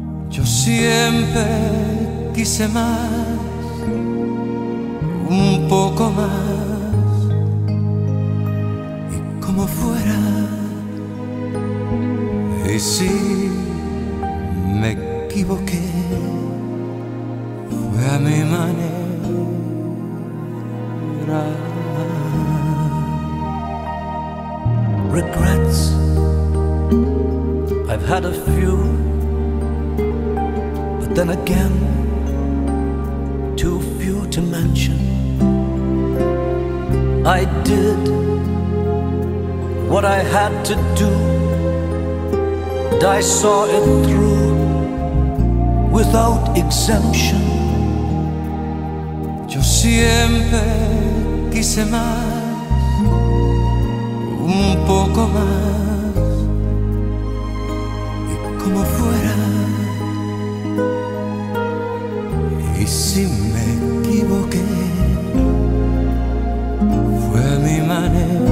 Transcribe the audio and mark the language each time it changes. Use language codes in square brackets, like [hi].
[es] Yo siempre quise más, un poco más, y como fuera. Y si me equivoqué, fue a mi manera. [en] Regrets, I've had a few, but then again, too few to mention. I did what I had to do and I saw it through without exemption. [es] Yo siempre quise más, un poco más, y como fuera, y si me equivoqué, fue mi manera.